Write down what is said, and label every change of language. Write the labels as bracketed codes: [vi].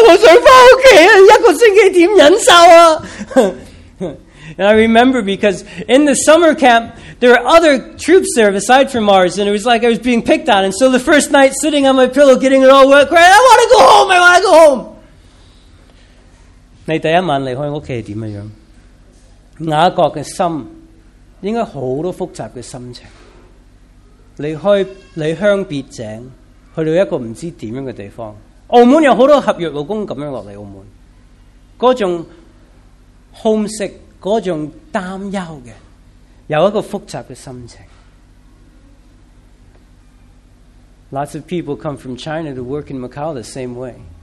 [zh] 我記得那次第一晚去到，因為跟以前同軍不一樣，有很多其他軍隊在，我們一進去好像被人欺負，好像適應不到，第一晚去就在那裡哭，我想回家，一個星期怎麼忍受啊。 [en] And I remember because in the summer camp, there were other troops there aside from ours, and it was like I was being picked on. And so the first night, sitting on my pillow, getting it all wet, crying, I want to go home, I want to go home. [zh] 你第一晚離開屋企是怎樣?雅各的心,應該很複雜的心情, 離鄉別井, 去到一個不知怎樣的地方, 澳門有很多合約勞工這樣下來澳門, 那種 homesick, 那種擔憂的,有一個複雜的心情。 [en] Lots of people come from China to work in Macau the same way.